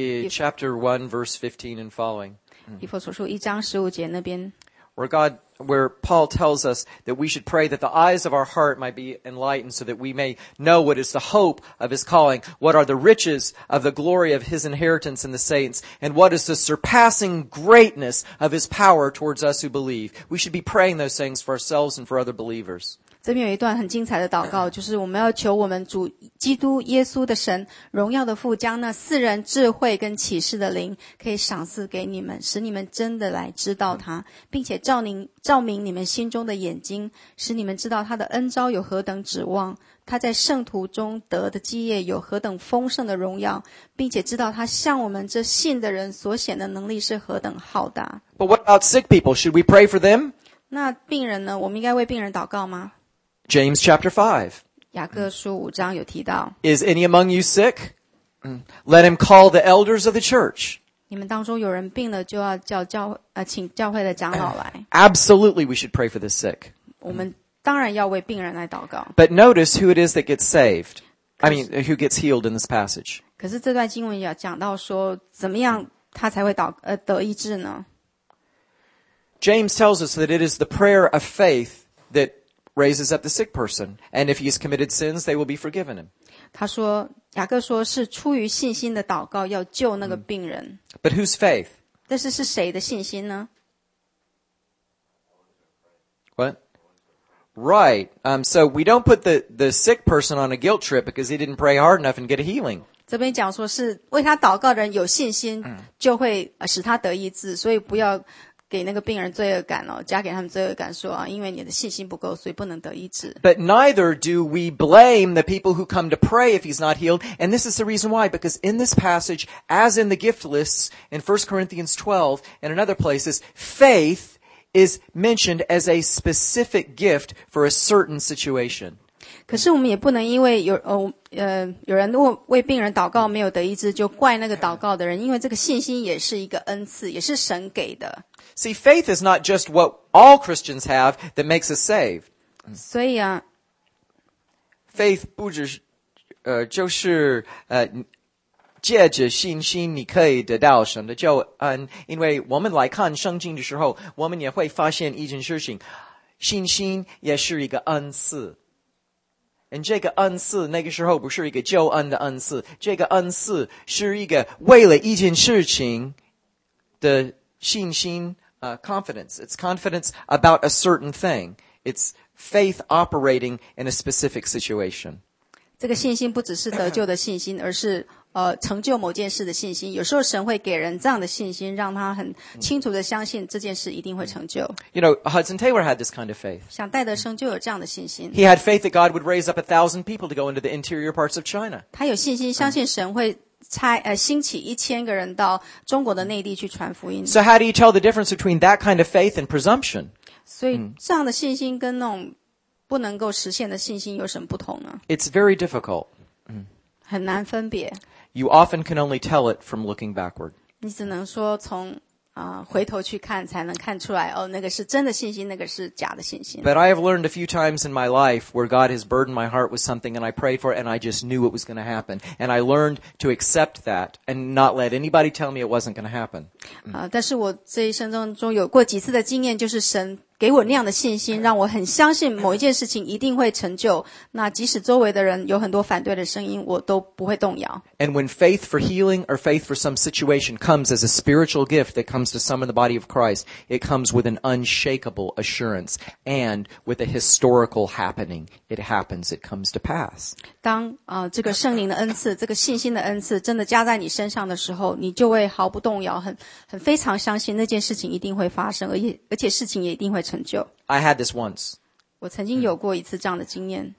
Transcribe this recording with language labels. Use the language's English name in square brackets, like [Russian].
[English] chapter 1 verse 15 and following. [Chinese] 以弗所书一章十五节那边。 [English] Where Paul tells us that we should pray that the eyes of our heart might be enlightened so that we may know what is the hope of his calling, what are the riches of the glory of his inheritance in the saints, and what is the surpassing greatness of his power towards us who believe. We should be praying those things for ourselves and for other believers. [Chinese] 这边有一段很精彩的祷告，就是我们要求我们主基督耶稣的神荣耀的父将那四人智慧跟启示的灵可以赏赐给你们，使你们真的来知道他，并且照明你们心中的眼睛，使你们知道他的恩召有何等指望，他在圣徒中得的基业有何等丰盛的荣耀，并且知道他向我们这信的人所显的能力是何等浩大。 [English] But what about sick people? Should we pray for them? [Chinese] 那病人呢？我们应该为病人祷告吗？ [English] James chapter 5. [Chinese] 雅各书五章有提到。 [English] Is any among you sick? Let him call the elders of the church. [Chinese] 你们当中有人病了就要请教会的长老来。 [English] Absolutely we should pray for the sick. [Chinese] 我们当然要为病人来祷告。 [English] But notice who it is that gets saved. I mean, who gets healed in this passage. [Chinese] 可是这段经文也讲到说怎么样他才会得医治呢？ [English] James tells us that it is the prayer of faith thatraises up the sick person, and if he has committed sins, they will be forgiven him. [Chinese] 他说，雅各说是出于信心的祷告，要救那个病人。 [English] But whose faith? [Chinese] 但是谁的信心呢？ [English] What? Right. So we don't put the sick person on a guilt trip because he didn't pray hard enough and get a healing. [Chinese] 这边讲说是为他祷告的人有信心，就会使他得医治，所以不要给那个病人罪恶感哦，加给他们罪恶感说啊，因为你的信心不够，所以不能得医治。 [English] But neither do we blame the people who come to pray if he's not healed. And this is the reason why, because in this passage, as in the gift lists in 1 Corinthians 12 and in other places, faith is mentioned as a specific gift for a certain situation. [Chinese] 可是我们也不能因为有人为病人祷告没有得医治，就怪那个祷告的人，因为这个信心也是一个恩赐，也是神给的。 [English] See, faith is not just what all Christians have that makes us saved. [Chinese] 所以啊，faith 不只是就是借着信心你可以得到神的救恩。因为我们来看圣经的时候，我们也会发现一件事情：信心也是一个恩赐。 And 这个恩赐那个时候不是一个救恩的恩赐，这个恩赐是一个为了一件事情的。 [English] 信心confidence. It's confidence about a certain thing. It's faith operating in a specific situation. [Chinese] 这个信心不只是得救的信心，而是成就某件事的信心。有时候神会给人这样的信心，让他很清楚的相信这件事一定会成就。 [English] You know, Hudson Taylor had this kind of faith. [Chinese] 像戴德生就有这样的信心。 [English] He had faith that God would raise up 1,000 people to go into the interior parts of China. [Chinese] 他有信心，相信神会兴起一千个人到中国的内地去传福音。 [English] So how do you tell the difference between that kind of faith and presumption? [Chinese] 所以这样的信心跟那种不能够实现的信心有什么不同呢？ [English] It's very difficult. [Chinese] 很难分别。 [English] You often can only tell it from looking backward. [Chinese] 你只能说从回头去看才能看出来哦，那个是真的信心，那个是假的信心。 [English] But I have learned a few times in my life where God has burdened my heart with something and I prayed for it and I just knew it was going to happen. And I learned to accept that and not let anybody tell me it wasn't going to happen. [Chinese] 但是我这一生中有过几次的经验，就是神给我那样的信心，让我很相信某一件事情一定会成就。那即使周围的人有很多反对的声音，我都不会动摇。 [English] And when faith for healing or faith for some situation comes as a spiritual gift that comes to some in the body of Christ, it comes with an unshakable assurance and with a historical happening. It happens. It comes to pass. [Chinese] 当这个圣灵的恩赐，这个信心的恩赐真的加在你身上的时候，你就会毫不动摇，很非常相信那件事情一定会发生，而且事情也一定会。 [English] I had this once. [Chinese] 我曾经有过一次这样的经验。